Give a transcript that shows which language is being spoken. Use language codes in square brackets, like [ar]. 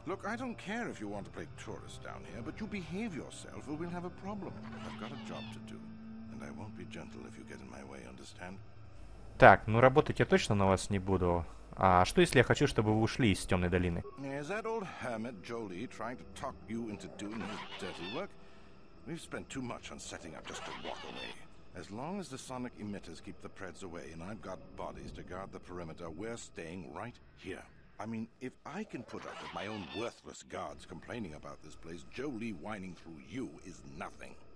[en] Look, I don't care if you want to play tourist down here, but you behave yourself or we'll have a problem. I've got a job to do, and I won't be gentle if you get in my way, understand? [ru] Так, ну работать я точно на вас не буду. А что если я хочу, чтобы вы ушли из темной долины? [en] Is that old hermit Jolie trying to talk you into doing his dirty work? We've spent too much on setting up just to walk away. As long as the sonic emitters keep the Preds away, and I've got bodies to guard the perimeter, we're staying right here. I mean, if I can put up with my own worthless guards complaining about this place, Jolie whining through you is nothing.